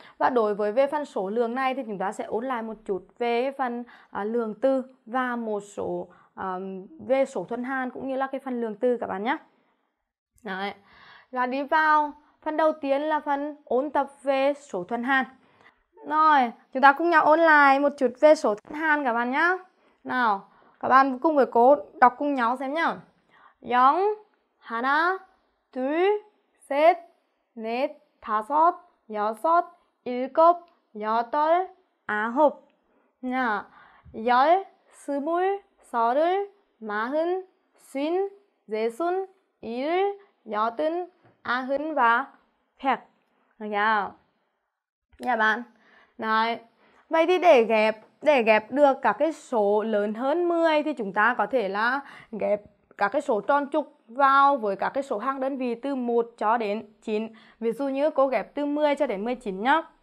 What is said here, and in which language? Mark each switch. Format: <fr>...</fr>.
<vi>Và đối với về phần số lượng này thì chúng ta sẽ ôn lại một chút về phần lượng từ và một số về số thuần Hàn cũng như là cái phần lượng từ các bạn nhé. Đấy. Và đi vào phần đầu tiên là phần ôn tập về số thuần Hàn. Rồi, chúng ta cùng nhau ôn lại một chút về số thuần Hàn các bạn nhé. Nào, các bạn cùng với cô đọc cùng nhau xem nhé. Giống</vi> <ko>하나, 둘, 셋, 넷, 다섯, 여섯, 일곱, 여덟, 아홉. 자, 열, 스물, 서른, 마흔, 쉰, 예순, 일, 여든, 아흔, 와, 백. 자, 자, 반. 나이.</ko> <vi>Vậy thì để ghép được các cái số lớn hơn 10 thì chúng ta có thể là ghép các cái số tròn trục vào với các cái số hàng đơn vị từ 1 cho đến 9. Ví dụ như cô ghép từ 10 cho đến 19 nhá.</vi>